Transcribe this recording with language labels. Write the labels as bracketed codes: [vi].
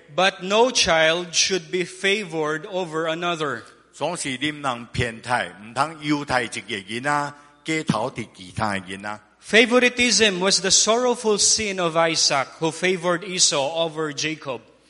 [en] But no child should be favored over another. [nan] 总是你不能偏待，唔通优待一个囡仔，加淘汰其他囡仔。 [en] Favoritism was the sorrowful sin of Isaac, who favored Esau over Jacob.